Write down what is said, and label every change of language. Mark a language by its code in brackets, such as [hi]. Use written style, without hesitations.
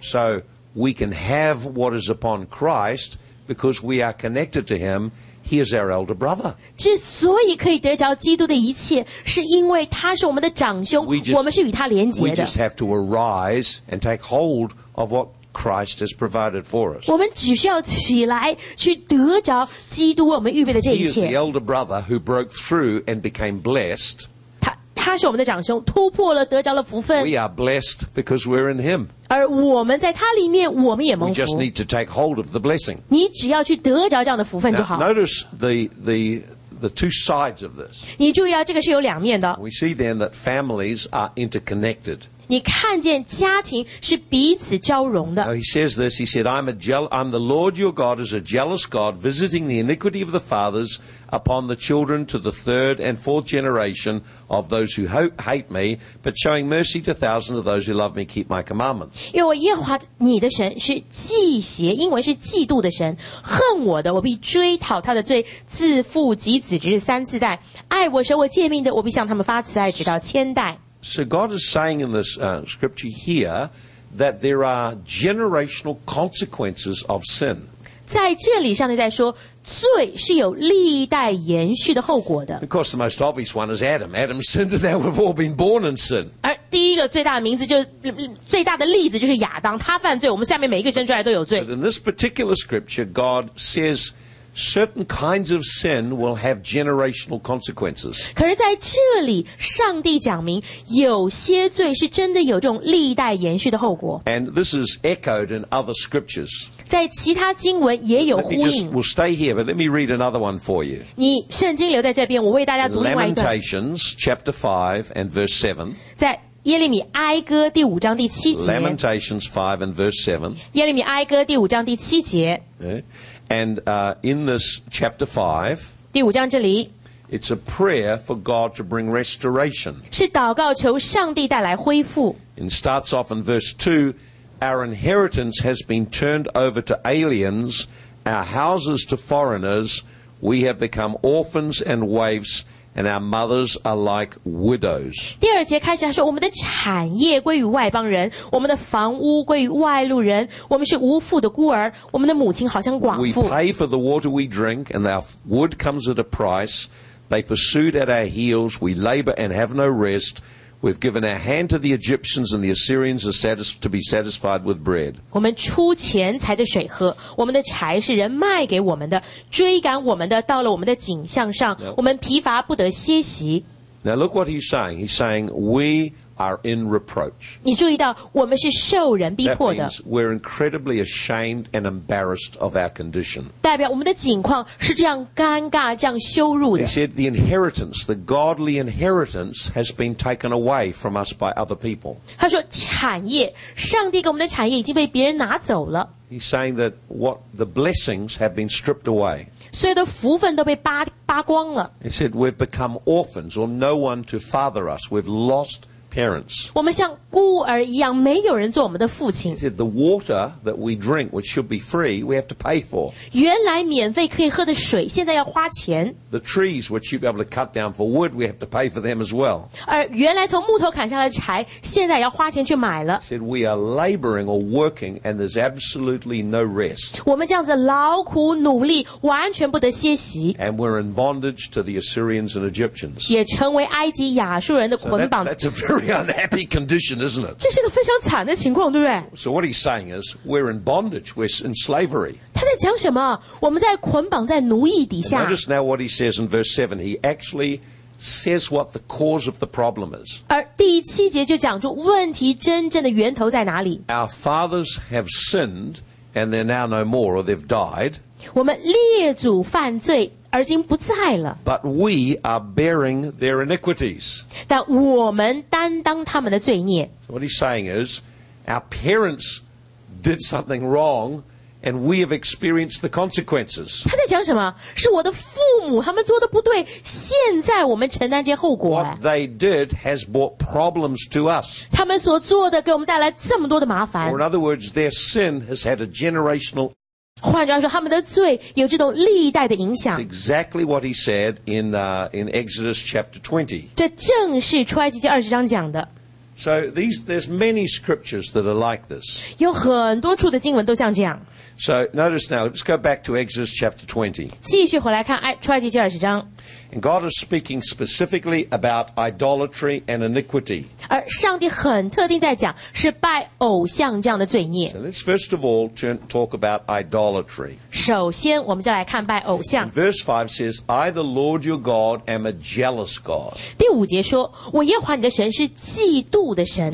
[en] So we can have what is upon Christ because we are connected to him. He is our elder brother. [zh] 之所以可以得着基督的一切, 是因为他是我们的长兄, 我们是与他连结的。 [en] We just have to arise and take hold of what Christ has provided for us. [zh] 我们只需要起来, 去得着基督为我们预备的这一切。 [en] He is the elder brother who broke through and became blessed. [zh] 他是我们的长兄, 突破了, 得着了福分。 [en] We are blessed because we're in him. [zh] 而我们在他里面, 我们也蒙福。 [en] We just need to take hold of the blessing. [zh] 你只要去得着这样的福分就好。 [en] Now, notice the two sides of this. [zh] 你注意啊, 这个是有两面的。 [en] We see then that families are interconnected. [zh] 你看见家庭是彼此交融的。 [en] He says this, he said, I'm the Lord your God is a jealous God, visiting the iniquity of the fathers upon the children to the third and fourth generation of those who hate me, but showing mercy to thousands of those who love me, keep my commandments. [zh] 因为耶和华你的神是嫉邪，英文是嫉妒的神，恨我的我必追讨他的罪，自父及子直至三四代，爱我守我诫命的我必向他们发慈爱直到千代。 [en] So God is saying in this scripture here that there are generational consequences of sin. [zh] 在这里上帝在说罪是有历代延续的后果的。 [en] Of course, the most obvious one is Adam. Adam sinned and now we've all been born in sin. [zh] 而第一个最大的名字就是最大的例子就是亚当，他犯罪，我们下面每一个生出来都有罪。 [en] But in this particular scripture, God says,Certain kinds of sin will have generational consequences. [zh] 可是在这里上帝讲明有些罪是真的有这种历代延续的后果。 [en] And this is echoed in other scriptures. [zh] 在其他经文也有呼应。 [en] We'll stay here, but let me read another one for you. [zh] 你圣经留在这边，我为大家读另外一个。 [en] Lamentations chapter 5 and verse 7. [zh] 在耶利米哀歌第五章第七节。 [en] Lamentations 5 and verse 7. [zh] 耶利米哀歌第五章第七节。 [en] And in this chapter 5, [zh] 第五章这里, [en] it's a prayer for God to bring restoration. [zh] 是祷告求上帝带来恢复。 [en] It starts off in verse 2, our inheritance has been turned over to aliens, our houses to foreigners, we have become orphans and waifs, and our mothers are like widows. [zh] 第二节开始他说我们的产业归于外邦人，我们的房屋归于外路人，我们是无父的孤儿，我们的母亲好像寡妇。 [en] We pay for the water we drink, and our wood comes at a price. They pursued at our heels, we labor and have no rest. We've given our hand to the Egyptians and the Assyrians to be satisfied with bread. [zh] 我们出钱财的水喝，我们的柴是人卖给我们的，追赶我们的到了我们的颈项上，我们疲乏不得歇息。 [en] Now look what he's saying. He's saying we are in reproach. [zh] 你注意到我们是受人逼迫的。 [en] That means we're incredibly ashamed and embarrassed of our condition. [zh] 代表我们的境况是这样尴尬，这样羞辱的。 [en] He said the inheritance, the godly inheritance, has been taken away from us by other people. [zh] 他说产业，上帝给我们的产业已经被别人拿走了。 [en] He's saying that what the blessings have been stripped away. [zh] 所有的福分都被扒光了。 [en] He said, we've become orphans or no one to father us. We've lost parents. [zh] 我们像孤儿一样，没有人做我们的父亲。 [en] He said, the water that we drink, which should be free, we have to pay for. [zh] 原来免费可以喝的水，现在要花钱。 [en] The trees, which you'd be able to cut down for wood, we have to pay for them as well. [zh] 而原来从木头砍下来的柴，现在要花钱去买了。 [en] He said, we are laboring or working, and there's absolutely no rest. [zh] 我们这样子劳苦努力，完全不得歇息。 [en] And we're in bondage to the Assyrians and Egyptians. [zh] 也成为埃及亚述人的捆绑。 [en] Very unhappy condition, isn't it? [zh] 这是个非常惨的情况，对不对？ [en] So what he's saying is, we're in bondage, we're in slavery. [zh] 他在讲什么？我们在捆绑在奴役底下。 [en] Notice now what he says in verse 7. He actually says what the cause of the problem is. [zh] 而第七节就讲出问题真正的源头在哪里。 [en] Our fathers have sinned, and they're now no more, or they've died. [zh] 我们列祖犯罪。而今不在了。 [en] But we are bearing their iniquities. [zh] 但我们担当他们的罪孽。 [en] So what he's saying is, our parents did something wrong, and we have experienced the consequences. [zh] 他在讲什么？是我的父母他们做的不对，现在我们承担这些后果。 [en] What they did has brought problems to us. [zh] 他们所做的给我们带来这么多的麻烦。 [en] Or in other words, their sin has had a generational impact. [zh] 换句话说，他们的罪有这种历代的影响。 [en] That's exactly what he said in Exodus chapter 20. [zh] 这正是出埃及记二十章讲的。 [en] So there's many scriptures that are like this. [zh] 有很多处的经文都像这样。 [en] So notice now, let's go back to Exodus chapter 20. [zh] 继续回来看出埃及记二十章。 [en] And God is speaking specifically about idolatry and iniquity. [zh] 而上帝很特定在讲是拜偶像这样的罪孽。 [en] So let's first of all talk about idolatry. [zh] 首先我们就来看拜偶像。 [en] Verse 5 says, I the Lord your God am a jealous God. [zh] 第五节说我耶和华你的神是嫉妒的神。